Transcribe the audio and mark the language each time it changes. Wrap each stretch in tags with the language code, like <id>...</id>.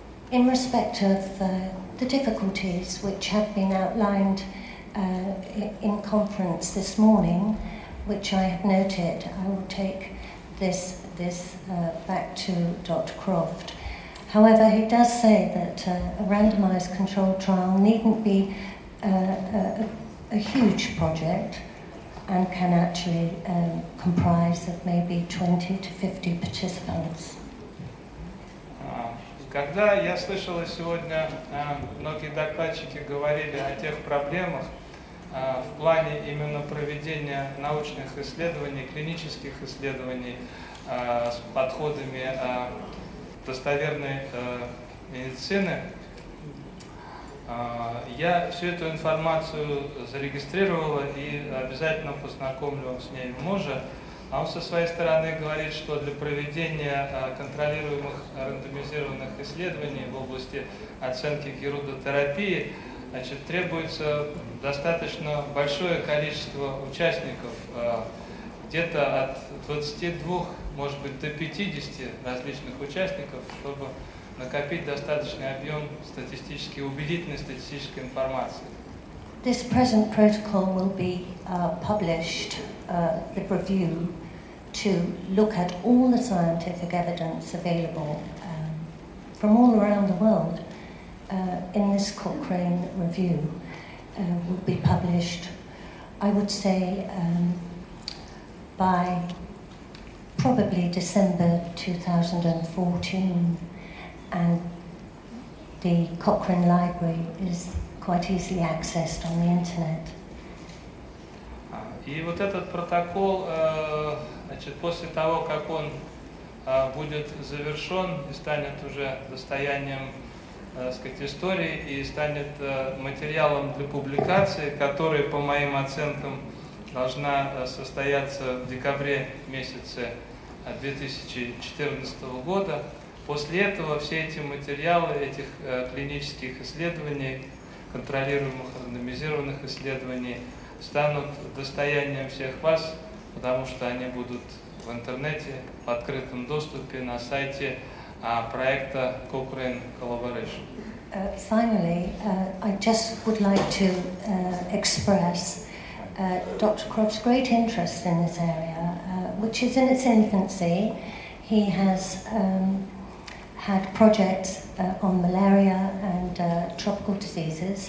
<en>In respect of the difficulties which have been outlined in conference this morning, which I have noted, I will take this back to Dr. Croft. However, he does say that a randomized controlled trial needn't be a huge project and can actually comprise of maybe 20 to 50 participants.</en> <ru>Когда я слышала сегодня, многие докладчики говорили о тех проблемах в плане именно проведения научных исследований, клинических исследований с подходами достоверной медицины, я всю эту информацию зарегистрировала и обязательно познакомлю с ней мужа. А он со своей стороны говорит, что для проведения контролируемых рандомизированных исследований в области оценки гирудотерапии, значит, требуется достаточно большое количество участников где-то от 22, может быть, до 50 различных участников, чтобы накопить достаточный объем статистически убедительной статистической информации.</ru> <en>This present protocol will be published, the review, to look at all the scientific evidence available from all around the world in this Cochrane review will be published, I would say, by probably December 2014. And the Cochrane Library is quite easily accessed on the internet.</en> <ru>И вот этот протокол, значит, после того, как он будет завершен и станет уже достоянием, так сказать, истории и станет материалом для публикации, который, по моим оценкам, должна состояться в декабре месяце 2014 года. После этого все эти материалы, этих клинических исследований, контролируемых, рандомизированных исследований, станут достоянием всех вас, потому что они будут в интернете, в открытом доступе, на сайте проекта Cochrane Collaboration.</ru> <en>Finally, I just would like to express Dr. Croft's great interest in this area, which is in its infancy. He has had projects on malaria and tropical diseases.</en>